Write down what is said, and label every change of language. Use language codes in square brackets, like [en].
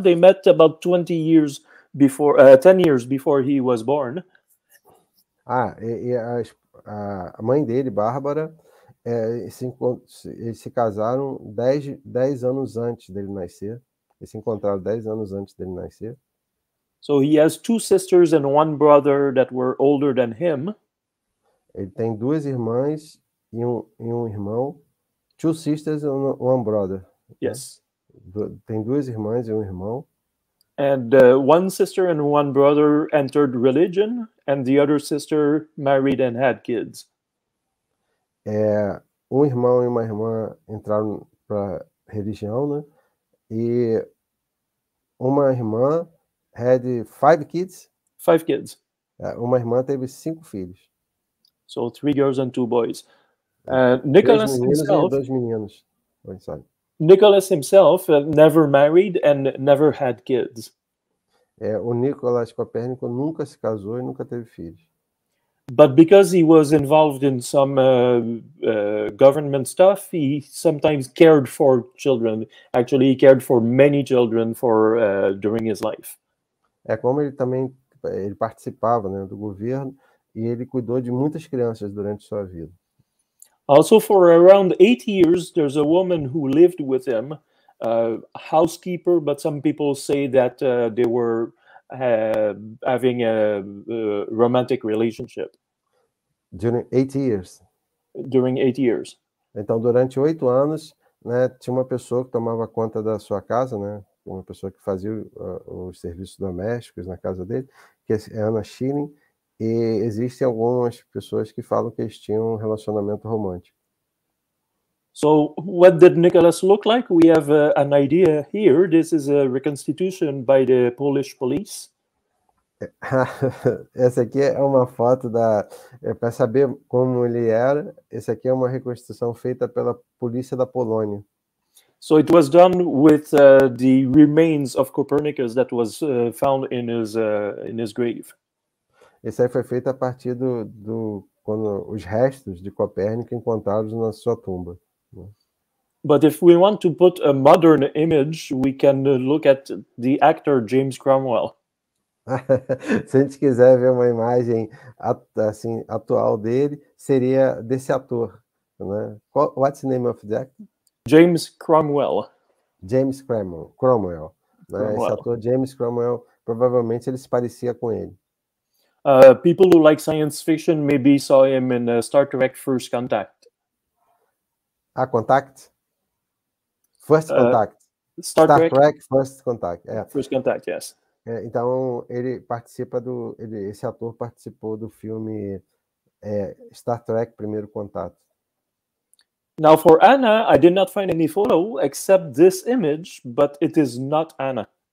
[en] They met about 20 years before, 10 years before he was born. [pt] Ah, a mãe dele, Bárbara, eles se casaram 10 anos antes dele nascer. Eles se encontraram 10 anos antes dele nascer. [en] So he has two sisters and one brother that were older than him. [pt] Ele tem duas irmãs e um irmão. [en] Two sisters and one brother. Yes. [pt] Tem duas irmãs e um irmão. [en] And one sister and one brother entered religion, and the other sister married and had kids. [pt] Um irmão e uma irmã entraram para religião, né? E uma irmã [en] had five kids. Five kids. [pt] Uma irmã teve 5 filhos. [en] So 3 girls and 2 boys. Nicholas himself. [pt] Dois meninos. Oi, sorry. [en] Nicholas himself never married and never had kids. [pt] O Nicolás Copérnico nunca se casou e nunca teve filhos. [en] But because he was involved in some government stuff, he sometimes cared for children. Actually, he cared for many children during his life. [pt] Como ele também ele participava, né, do governo, e ele cuidou de muitas crianças durante sua vida. [en] Also, for around 8 years, there's a woman who lived with him, a housekeeper, but some people say that they were having a romantic relationship. During 8 years. During 8 years. [pt] Então, durante 8 anos, né, tinha uma pessoa que tomava conta da sua casa, né, uma pessoa que fazia os serviços domésticos na casa dele, que é Anna Schilling. E existem algumas pessoas que falam que eles tinham um relacionamento romântico. [en] So, what did Nicholas look like? We have an idea here. This is a reconstitution by the Polish police. [pt] Essa aqui é uma foto da... para saber como ele era, essa aqui é uma reconstituição feita pela polícia da Polônia. [en] So, it was done with the remains of Copernicus that was found in his grave. [pt] Isso aí foi feito a partir do quando os restos de Copérnico encontrados na sua tumba. [en] But if we want to put a modern image, we can look at the actor James Cromwell. [pt] Se a gente quiser ver uma imagem assim atual dele, seria desse ator, né? [en] What's the name of the actor? James Cromwell. [pt] James Cromwell. Né? Cromwell. Esse ator James Cromwell, provavelmente ele se parecia com ele. [en] People who like science fiction maybe saw him in Star Trek First Contact. Ah, Contact? First Contact. Star Trek First Contact. É. First Contact, yes. [pt] Então, ele participa do... esse ator participou do filme Star Trek Primeiro Contato. [en] Now, for Anna, I did not find any photo except this image, but it is not Anna.